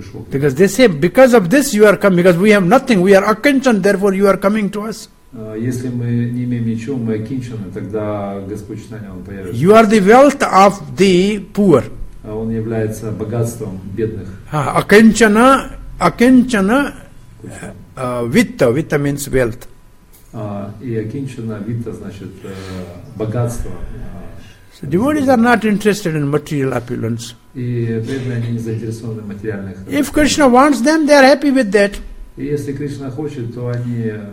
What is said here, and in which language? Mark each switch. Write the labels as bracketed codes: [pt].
[en] Because they say, because of this you are coming, because we have nothing, we are akinchan, therefore you are coming to us. [ru] Если мы не имеем ничего, мы окинчены, тогда Господь Читания, Он появится. [en] You are the wealth of the poor. [ru] Он является богатством бедных. [sa] Окинчана, окинчана, витта, витта [en] means wealth. [ru] И окинчана, витта значит богатство. [en] So devotees are not interested in material opulence. [ru] И преданные, они не заинтересованы в материальных. [en] If Krishna wants them, they are happy with that. [ru] И если Кришна хочет, то они...